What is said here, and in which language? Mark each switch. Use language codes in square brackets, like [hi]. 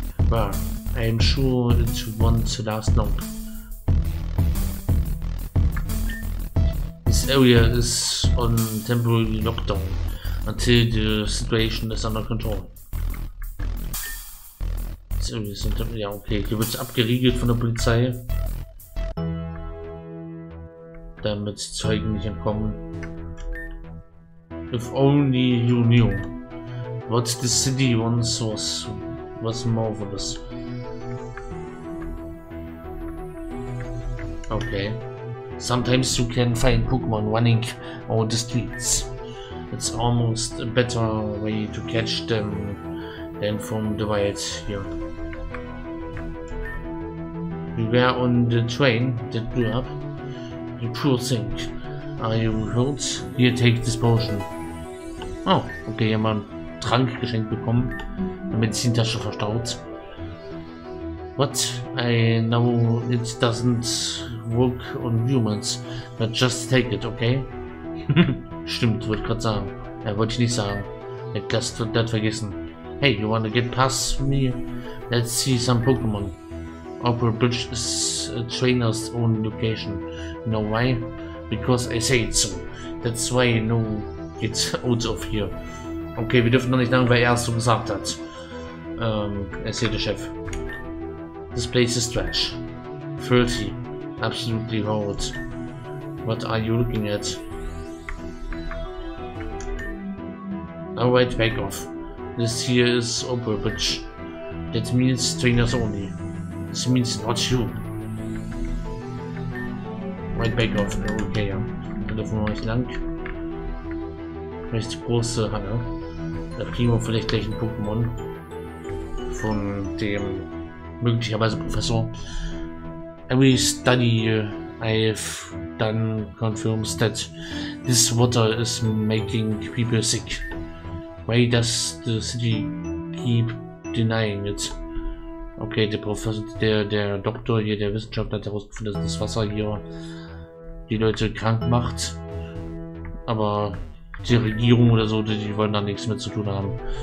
[en] Well, I'm sure it won't last long. This area is on temporary lockdown until the situation is under control. [de] Ja, okay, hier wird es abgeriegelt von der Polizei. Damit Zeugen nicht entkommen. [en] If only you knew what the city once was marvelous. Okay. Sometimes you can find Pokémon running on the streets. It's almost a better way to catch them than from the wild here. You were on the train that blew up. You poor thing. Are you hurt? Here, take this potion. [de] Oh, okay, hier mal ein Trank geschenkt bekommen. Eine Medizintasche verstaut. [en] What? I know it doesn't work on humans, but just take it, okay? [de] Stimmt, wollte ich gerade sagen. Ja, wollte ich nicht sagen. Ich habe das vergessen. [en] Hey, you wanna get past me? Let's see some Pokémon. Upper Bridge is a trainer's own location. You know why? Because I say it so. That's why you know it's out of here. [de] Okay, wir dürfen noch nicht sagen, wer es so gesagt hat. Erzählt der Chef. [en] This place is trash. 30. Absolutely horrid. What are you looking at? Alright, back off. This here is Upper Bridge. That means trainers only. This means not you. Right back off. [de] Okay, ja. Da dürfen wir nicht lang. Vielleicht die große Halle. Da kriegen wir vielleicht gleich ein Pokémon. Von dem möglicherweise Professor. [en] Every study I've done confirms that this water is making people sick. Why does the city keep denying it? [de] Okay, der Professor, der Doktor hier, der Wissenschaftler hat herausgefunden, dass das Wasser hier die Leute krank macht. Aber die Regierung oder so, die wollen da nichts mehr zu tun haben.